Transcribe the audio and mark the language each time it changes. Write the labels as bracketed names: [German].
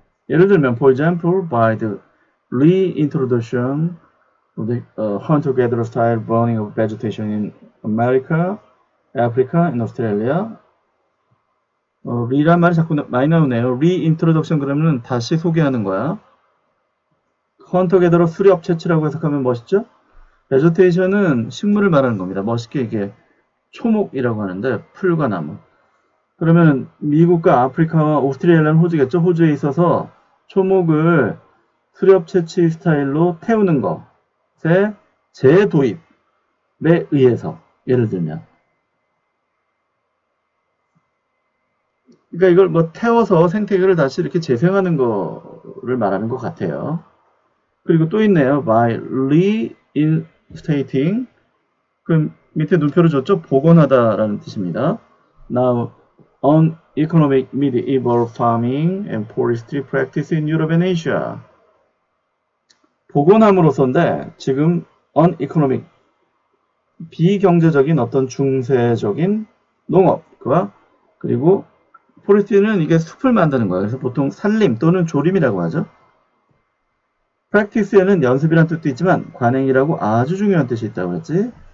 [Korean] 예를 들면, [English] for example, by the reintroduction of the hunter-gatherer style burning of vegetation in America, Africa, and Australia. [Korean] 리란 말이 자꾸 많이 나오네요. Reintroduction 그러면 다시 소개하는 거야. Hunter-gatherer 수렵 채취라고 해석하면 멋있죠? Vegetation은 식물을 말하는 겁니다. 멋있게 이게 초목이라고 하는데, 풀과 나무. 그러면 미국과 아프리카와 오스트레일리아는 호주겠죠? 호주에 있어서 초목을 수렵 채취 스타일로 태우는 것에 재도입에 의해서, 예를 들면. 그러니까 이걸 뭐 태워서 생태계를 다시 이렇게 재생하는 거를 말하는 것 같아요. 그리고 또 있네요. [English] By reinstating. [Korean] 그 밑에 눈표를 줬죠? 복원하다라는 뜻입니다. [English] Now, on economic medieval farming and forestry practice in Europe and Asia. [Korean] 복원함으로써인데, 지금 on economic, 비경제적인 어떤 중세적인 농업과, 그리고 포레스트리는 이게 숲을 만드는 거예요. 그래서 보통 산림 또는 조림이라고 하죠. 프랙티스에는 연습이란 뜻도 있지만 관행이라고 아주 중요한 뜻이 있다고 했지.